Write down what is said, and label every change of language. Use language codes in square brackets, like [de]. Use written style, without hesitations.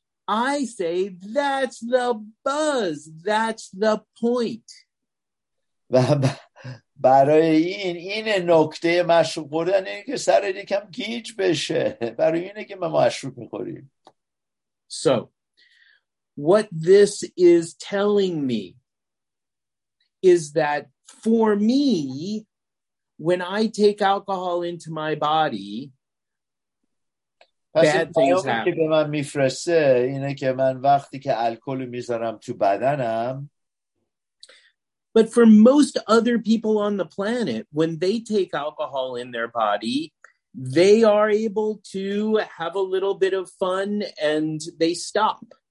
[en] I say that's the buzz, that's the point. [fa] و برای این نکته مشروب خوردن اینه که سر یکم گیج بشه. برای اینه که ما مشروب میخوریم. [en] So what this is telling me is that for me, when I take alcohol into my body, bad things happen. [fa] که به من میفرسه اینه که من وقتی که الکل میذارم تو بدنم. [en] But for most other people on the planet, when they take alcohol in their body, they are able to have a little bit of fun and they stop.